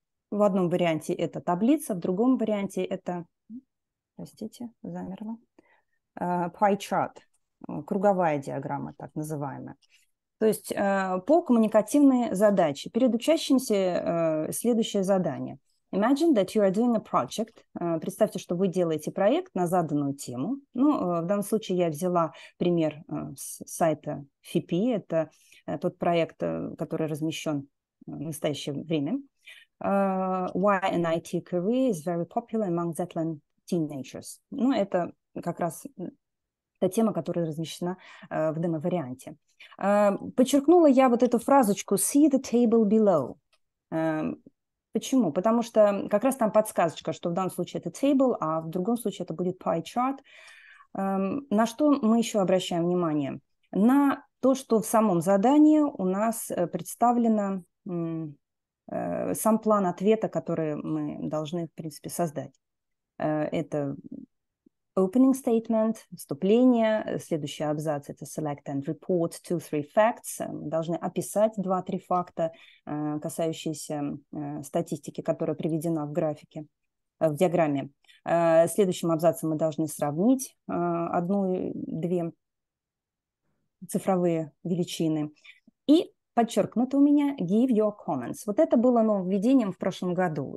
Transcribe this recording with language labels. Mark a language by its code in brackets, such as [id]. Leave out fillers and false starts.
[ru] В одном варианте это таблица, в другом варианте это... Простите, замерло. [en] Pie chart. [ru] Круговая диаграмма, так называемая. То есть по коммуникативной задаче. Перед учащимся следующее задание. [en] Imagine that you are doing a project. [ru] Представьте, что вы делаете проект на заданную тему. Ну, в данном случае я взяла пример с сайта FIPI. Это тот проект, который размещен в настоящее время. [en] Why an IT career is very popular among Zetland teenagers. [ru] Ну, это как раз... Это тема, которая размещена в демо-варианте. Подчеркнула я вот эту фразочку [en] «see the table below». [ru] Почему? Потому что как раз там подсказочка, что в данном случае это «table», а в другом случае это будет «pie chart». На что мы еще обращаем внимание? На то, что в самом задании у нас представлено сам план ответа, который мы должны, в принципе, создать. Это... [en] Opening statement, [ru] вступление, следующий абзац – это [en] select and report two, three facts. [ru] Должны описать 2-3 факта, касающиеся статистики, которая приведена в графике, в диаграмме. Следующим абзацем мы должны сравнить одну-две цифровые величины. И подчеркнуто у меня [en] give your comments. [ru] Вот это было нововведением в прошлом году.